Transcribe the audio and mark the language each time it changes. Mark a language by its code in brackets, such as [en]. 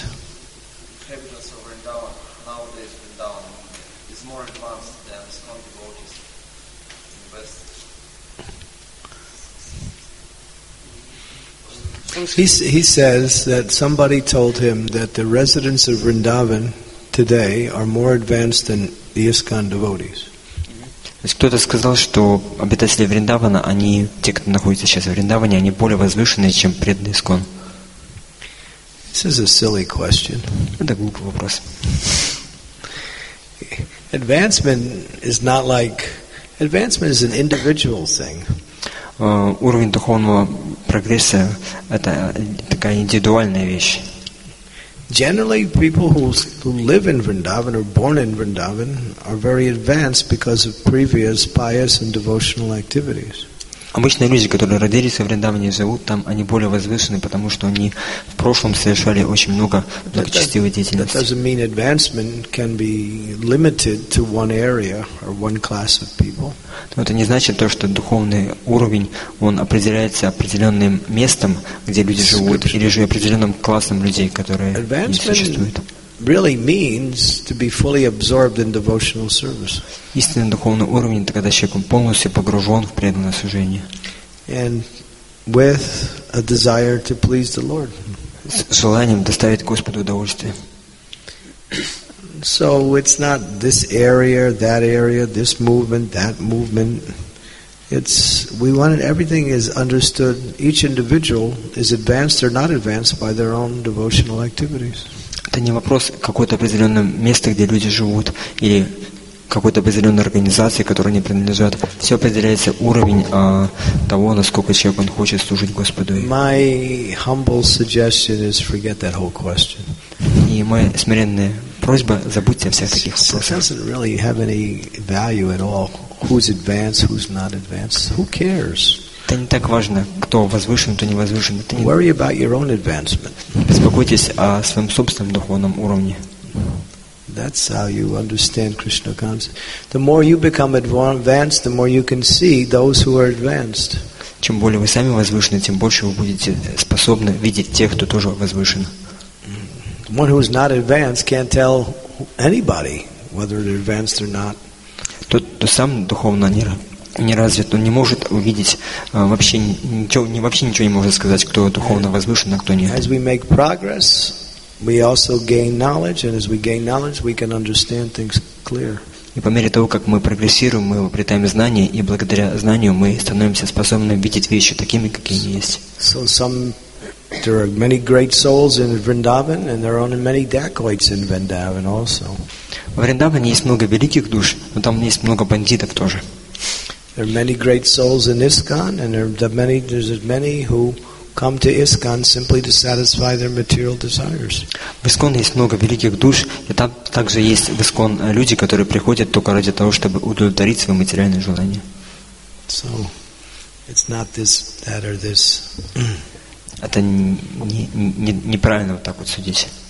[en] Capitals of Vrindavan, nowadays Vrindavan, is more advanced than Iskcon devotees in the West. He says that somebody told him that the residents of Vrindavan today are more advanced than the Iskcon devotees. [ru] То есть кто-то сказал, что обитатели Вриндавана, они, те, кто находится сейчас в Вриндаване, они более возвышенные, чем преданные Искон. [en] This is a silly question. [ru] Это глупый вопрос. [en] Advancement is an individual thing. [ru] Уровень духовного прогресса – это такая индивидуальная вещь. [en] Generally, people who live in Vrindavan or born in Vrindavan are very advanced because of previous pious and devotional activities. [ru] Обычные люди, которые родились в Вриндаване и живут там, они более возвышены, потому что они в прошлом совершали очень много благочестивой деятельности. [en] That doesn't mean advancement can be limited to one area or one class of people. [ru] Но это не значит то, что духовный уровень он определяется определенным местом, где люди живут, или же определенным классом людей, которые существуют. [en] Really means to be fully absorbed in devotional service. [ru] Истинный духовный уровень – это когда человек полностью погружен в преданное служение. [en] And with a desire to please the Lord. [ru] С желанием доставить Господу удовольствие. [en] So it's not this area, this movement, that movement. It's we want it, everything is understood. Each individual is advanced or not advanced by their own devotional activities. [ru] Это не вопрос какое-то определенное место, где люди живут, или какой-то определенной организации, которой они принадлежат. Все определяется уровень того, насколько человек он хочет служить Господу. [en] My humble suggestion is forget that whole question. [ru] И моя смиренная просьба – забудьте о всех таких вопросах. [en] It doesn't really have any value at all. Who's advanced, who's not advanced? Who cares? [ru] Это не так важно, кто возвышен, кто не возвышен. Не... [en] Worry about your own advancement. [ru] Беспокойтесь о своем собственном духовном уровне. [en] That's how you understand Krishna consciousness. The more you become advanced, the more you can see those who are advanced. [ru] Чем более вы сами возвышены, тем больше вы будете способны видеть тех, кто тоже возвышен. [en] One who is not advanced can't tell anybody whether they're advanced or not. [ru] Тот, кто сам духовно не развит, он не может увидеть вообще ничего не может сказать, кто духовно возвышен, а кто нет. [en] As we make progress, we also gain knowledge, and as we gain knowledge, we can understand things clear. [ru] И по мере того, как мы прогрессируем, мы обретаем знания, и благодаря знанию мы становимся способны видеть вещи такими, какие они есть. [en] So some there are many great souls in Vrindavan, and there are many dacoits in Vrindavan also. [ru] В Вриндаване есть много великих душ, но там есть много бандитов тоже. [en] There are many great souls in ISKCON, and there's many who come to ISKCON simply to satisfy their material desires. [ru] В ISKCON есть много великих душ, и там также есть в ISKCON люди, которые приходят только ради того, чтобы удовлетворить свои материальные желания. [en] So, it's not this, that, or this. [ru] Это неправильно вот так вот судить.